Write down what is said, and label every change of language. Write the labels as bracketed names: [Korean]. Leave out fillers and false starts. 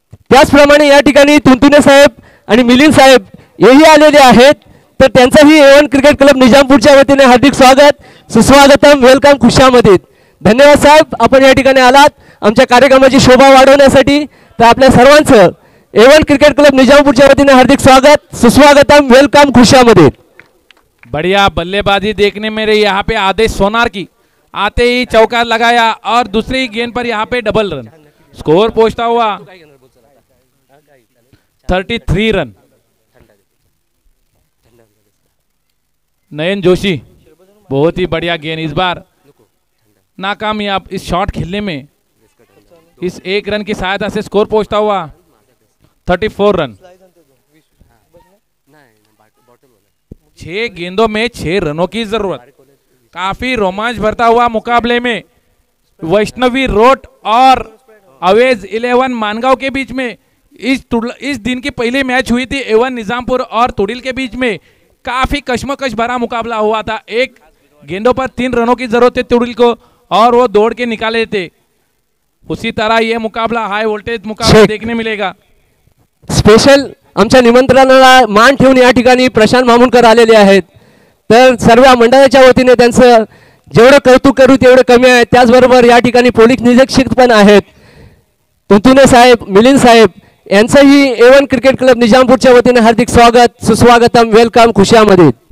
[Marathi] त्याचप्रमाणे या ठिकाणी तुंतुने साहेब आणि मिलिंद साहेब येही आलेले आहेत, तर त्यांचाही एवन क्रिकेट क्लब निजामपूरच्या वतीने हार्दिक स्वागत, सुस्वागतम, वेलकम, खुशिया मध्ये। धन्यवाद साहेब, आपण या ठिकाणी आलात आमच्या कार्यक्रमाची शोभा वाढवण्यासाठी। तर आपल्या सर्वांचं एवन क्रिकेट क्लब निजामपूरच्या वतीने हार्दिक स्वागत, सुस्वागतम, वेलकम, खुशिया मध्ये। [Hindi] बढ़िया बल्लेबाजी देखने मेरे यहाँ पे आदेश सोनार की, आते ही चौका लगाया और दूसरी गेंद पर यहाँ पे डबल रन, स्कोर पहुंचता हुआ 33 रन। नयन जोशी बहुत ही बढ़िया गेंद, इस बार नाकामयाब इस शॉट खेलने में, इस एक रन की सहायता से स्कोर पहुंचता हुआ 34 रन। छह गेंदों में छह रनों की जरूरत, काफी रोमांच भरता हुआ मुकाबले में। वैष्णवी रोट और अवेज 11 मानगांव के बीच में इस दिन की पहली मैच हुई थी, एवन निजामपुर और तुड़िल के बीच में काफी कश्मकश भरा मुकाबला हुआ था। एक गेंदों पर तीन रनों की जरूरत थी तुड़िल को और वो दौड़ के निकाले थे। उसी तरह यह मुकाबला हाई वोल्टेज मुकाबला देखने मिलेगा। [Marathi] स्पेशल आमच्या निमंत्रणाला मान ठेवून या ठिकाणी प्रशांत मामूनकर आलेले आहेत, तर सर्व मंडळाच्या वतीने त्यांचं जेवढं कौतुक करू तेवढं कमी आहे। त्याचबरोबर या ठिकाणी पोलीस निरीक्षक पण आहेत, तुतुने साहेब, मिलिंद साहेब, यांचंही एवन क्रिकेट क्लब निजामपूरच्या वतीने हार्दिक स्वागत, सुस्वागतम, वेलकम, खुशिया मध्ये।